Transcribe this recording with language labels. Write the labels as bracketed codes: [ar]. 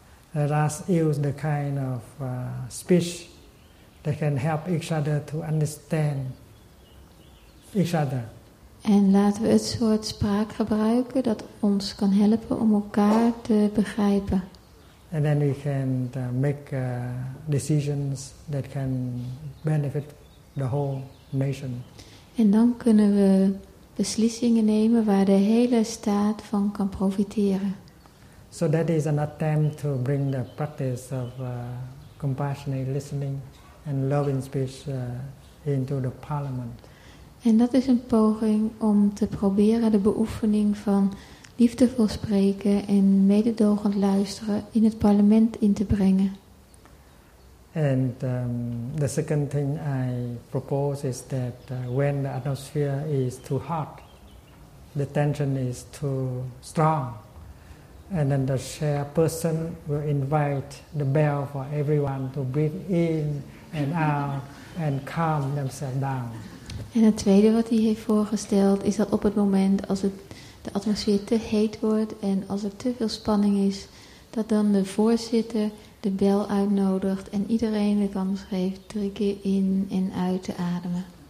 [en] Let us use the kind of speech that can help each other to understand each other. [nl] En laten we het soort spraak gebruiken dat ons kan helpen om elkaar te begrijpen. [en] And then we can make decisions that can benefit the whole nation. [nl] En dan kunnen we beslissingen nemen waar de hele staat van kan profiteren. [en] So that is an attempt to bring the practice of compassionate listening and loving speech into the parliament. [nl] En dat is een poging om te proberen de beoefening van liefdevol spreken en mededogend luisteren in het parlement in te brengen. [en] And the second thing I propose is that when the atmosphere is too hot, the tension is too strong, and then the chairperson will invite the bell for everyone to breathe in and out and calm themselves down. [nl] En het tweede wat hij heeft voorgesteld is dat op het moment als het de atmosfeer te heet wordt en als er te veel spanning is, dat dan de voorzitter de bel uitnodigt en iedereen de kans geeft 3 keer in en uit te ademen.